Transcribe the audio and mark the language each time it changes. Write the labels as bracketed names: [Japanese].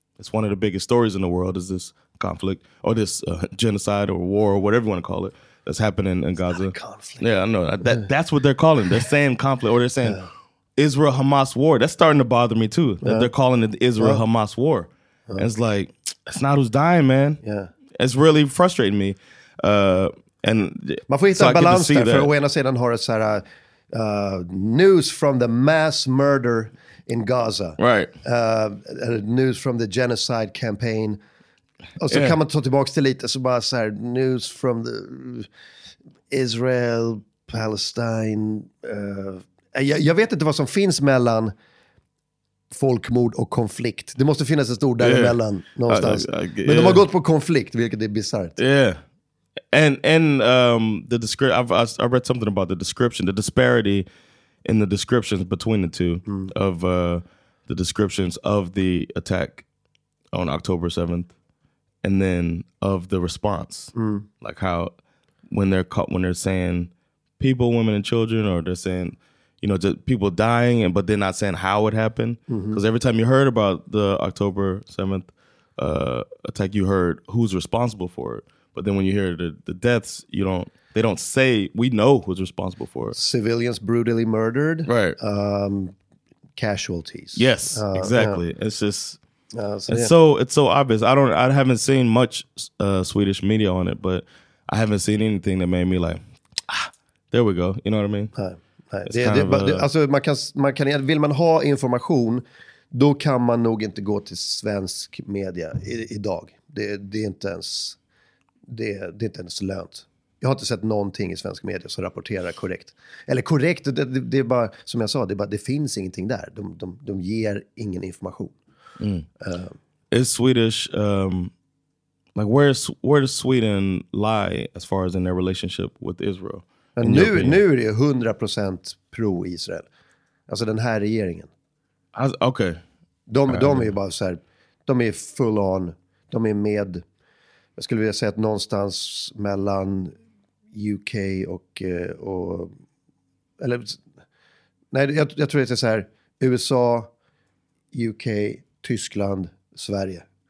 [English] It's one of the biggest stories in the world is this conflict or this genocide or war or whatever you want to call it that's happening in Gaza. It's not a conflict. Yeah, I know. That's what they're calling. They're saying conflict or they're saying Israel-Hamas war. That's starting to bother me too. That they're calling it the Israel-Hamas war. And it's like, it's not who's dying, man. Yeah. It's really frustrating me. [Swedish] Man får hitta en balans där, för å ena sidan har det så här, [English] news from the mass murder in Gaza. Right. News from the genocide campaign. [Swedish] Och så kan man ta tillbaka till lite, så bara så här, [English] news from the Israel, Palestine. [Swedish] Jag vet inte vad som finns mellan folkmord och konflikt. Det måste finnas ett ord däremellan någonstans. Men de har gått på konflikt, vilket är bizarrt. [English] Yeah. And the I read something about the description, the disparity in the descriptions between the two of the descriptions of the attack on October 7th and then of the response. Like how when they're saying people, women and children, or they're saying, you know, just people dying, and but they're not saying how it happened. Because every time you heard about the October 7th attack, you heard who's responsible for it. But then when you hear the deaths, you don't. They don't say we know who's responsible for it. Civilians brutally murdered. Right. Casualties. Yes. Exactly. Yeah. It's just. It's so obvious. I haven't seen much Swedish media on it, but I haven't seen anything that made me like, ah, there we go. You know what I mean? [Swedish] Vill man ha information, då kan man nog inte gå till svensk media idag. Det är inte ens lönt. Jag har inte sett någonting i svensk media som rapporterar korrekt. Eller korrekt, det är bara, som jag sa, det finns ingenting där. De ger ingen information. [English] Is Swedish, like where does Sweden lie as far as in their relationship with Israel? [Swedish] Men nu är det 100% pro-Israel. Alltså den här regeringen. Okej. De är ju bara så här, de är full on, de är med, jag skulle vilja säga att någonstans mellan UK och eller, nej, jag tror att det är så här, USA, UK, Tyskland, Sverige.